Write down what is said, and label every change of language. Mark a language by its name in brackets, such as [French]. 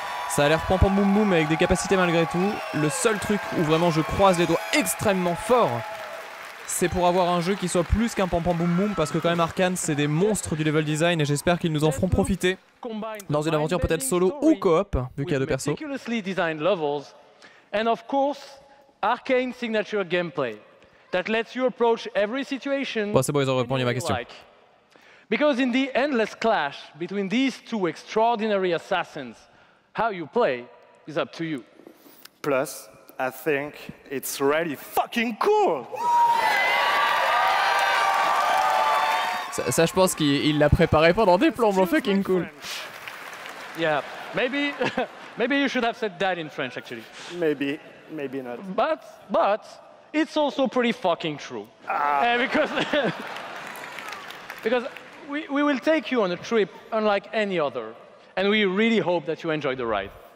[French] Ça a l'air pam pam boum boum avec des capacités malgré tout. Le seul truc où vraiment je croise les doigts extrêmement fort, c'est pour avoir un jeu qui soit plus qu'un pam pam boum boum, parce que quand même Arkane, c'est des monstres du level design et j'espère qu'ils nous en feront profiter dans une aventure peut-être solo ou coop, vu qu'il y a deux persos. [English] Meticulously designed levels and of course Arkane signature gameplay that lets you approach every situation. [French] Bon, c'est bon, ils ont répondu à ma question. [English] Because in the endless clash between these two extraordinary assassins, how you play is up to you. Plus, I think it's really fucking cool. [French] Ça je pense qu'il l'a préparé pendant des plombs, mais [English] fucking cool. Yeah, maybe you should have said that in French actually. Maybe not. But it's also pretty fucking true. Ah. Because we will take you on a trip unlike any other, and we really hope that you enjoy the ride.